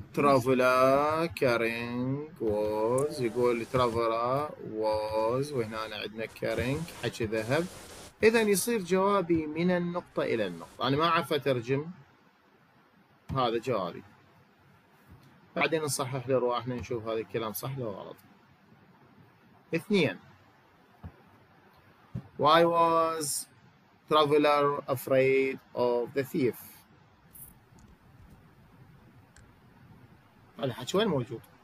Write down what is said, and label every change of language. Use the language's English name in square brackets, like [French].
[English] traveler carrying was، [Arabic] يقول [English] traveler was، [Arabic] وهنا عندنا carrying حكي ذهب. إذا يصير جوابي من النقطة إلى النقطة، أنا ما أعرف أترجم، هذا جوابي. بعدين نصحح لأرواحنا نشوف هذا الكلام صح ولا غلط. اثنين، [English] Why was traveler afraid of the thief؟ [Arabic] هذا الحكي وين موجود؟